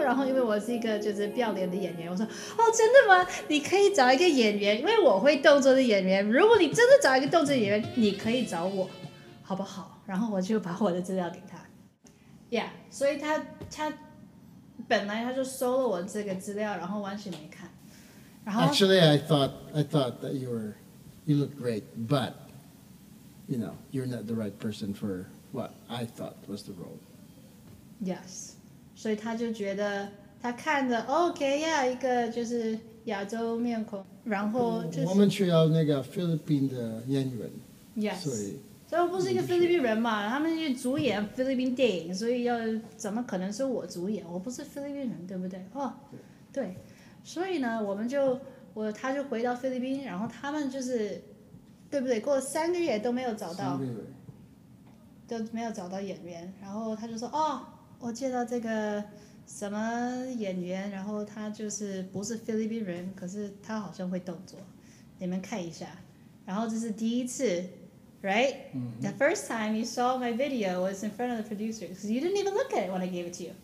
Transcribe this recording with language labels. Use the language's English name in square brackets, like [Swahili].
[Chinese] 然后因为我是一个就是不要脸的演员，我说哦，真的吗？你可以找一个演员，因为我会动作的演员，如果你真的找一个动作演员，你可以找我，好不好？然后我就把我的资料给他 ，Yeah， 所以他本来他就收了我这个资料，然后完全没看。 [English] Actually, I thought that you look great, but, you know, you're not the right person for what I thought was the role. Yes. So he thought, he looked, okay, yeah, [Chinese] 一个就是亚洲面孔，然后就是我们需要那个菲律宾的演员。 [English] Yes. [Chinese] 所以我不是一个菲律宾人嘛，他们去主演菲律宾电影，所以要怎么可能是我主演？我不是菲律宾人，对不对？哦，对。所以呢，他就回到菲律宾，然后他们就是，对不对？过了三个月都没有找到，都没有找到演员。然后他就说：“哦，我见到这个什么演员，然后他就是不是菲律宾人，可是他好像会动作，你们看一下。” 然后这是第一次 ，right？、 Mm-hmm. [English] The first time you saw my video was in front of the producer because you didn't even look at it when I gave it to you.、